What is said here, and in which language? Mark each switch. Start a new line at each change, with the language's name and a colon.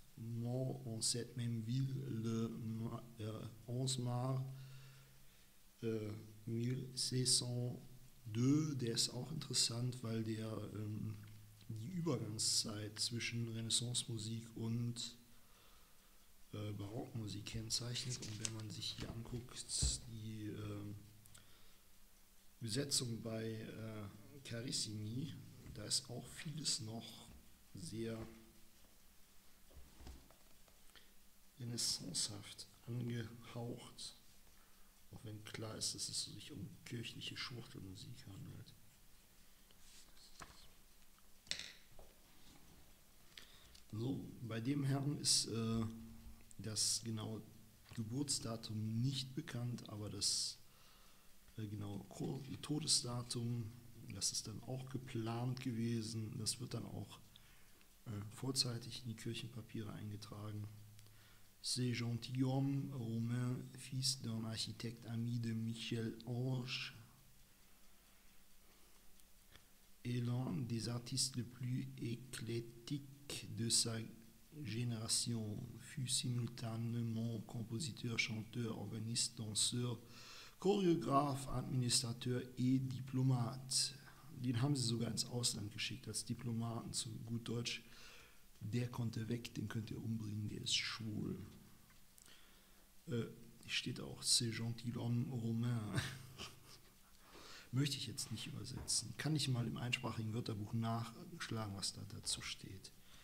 French: Mort en cette même ville le 11 mars 1602.
German: Der ist auch interessant, weil der die Übergangszeit zwischen Renaissance-Musik und Barockmusik kennzeichnet. Und wenn man sich hier anguckt, die Besetzung bei Carissimi, da ist auch vieles noch sehr renaissancehaft angehaucht, auch wenn klar ist, dass es sich um kirchliche Schwuchtelmusik handelt. So, bei dem Herrn ist das genaue Geburtsdatum nicht bekannt, aber das genaue Todesdatum, das ist dann auch geplant gewesen. Das wird dann auch vorzeitig in die Kirchenpapiere eingetragen.
French: C'est gentilhomme romain, fils d'un architecte ami de Michel Ange. Et l'un des artistes le plus éclectique de sa génération fut simultanément compositeur, chanteur, organiste, danseur, Choreograf, Administrateur et Diplomat.
German: Den haben sie sogar ins Ausland geschickt als Diplomaten, zu gut Deutsch. Der konnte weg, den könnt ihr umbringen, der ist schwul. Steht auch
French: C'est gentilhomme romain.
German: Möchte ich jetzt nicht übersetzen. Kann ich mal im einsprachigen Wörterbuch nachschlagen, was da dazu steht.